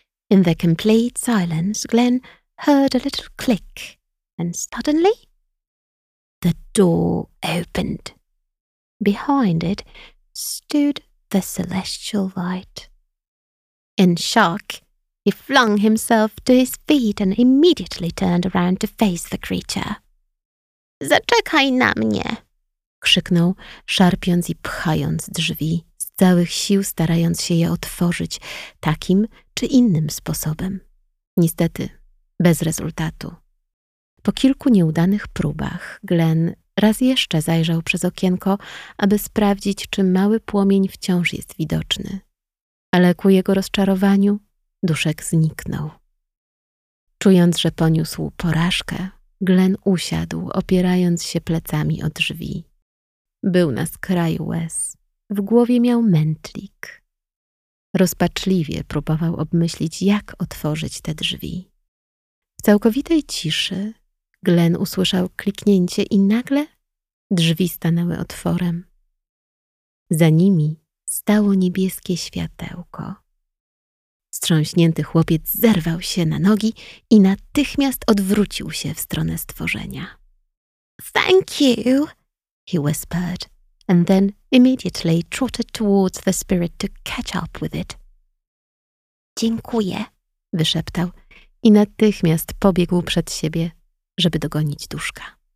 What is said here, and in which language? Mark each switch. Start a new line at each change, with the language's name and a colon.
English: In the complete silence, Glenn heard a little click, and suddenly, the door opened. Behind it stood the celestial light. In shock, he flung himself to his feet and immediately turned around to face the creature.
Polish: Zaczekaj na mnie! Krzyknął, szarpiąc i pchając drzwi, z całych sił starając się je otworzyć takim czy innym sposobem. Niestety, bez rezultatu. Po kilku nieudanych próbach, Glenn raz jeszcze zajrzał przez okienko, aby sprawdzić, czy mały płomień wciąż jest widoczny. Ale ku jego rozczarowaniu duszek zniknął. Czując, że poniósł porażkę, Glenn usiadł, opierając się plecami o drzwi. Był na skraju łez. W głowie miał mętlik. Rozpaczliwie próbował obmyślić, jak otworzyć te drzwi. W całkowitej ciszy Glenn usłyszał kliknięcie i nagle drzwi stanęły otworem. Za nimi stało niebieskie światełko. Strząśnięty chłopiec zerwał się na nogi i natychmiast odwrócił się w stronę stworzenia.
English: Thank you, he whispered, and then immediately trotted towards the spirit to catch up with it.
Polish: Dziękuję, wyszeptał i natychmiast pobiegł przed siebie, żeby dogonić duszka.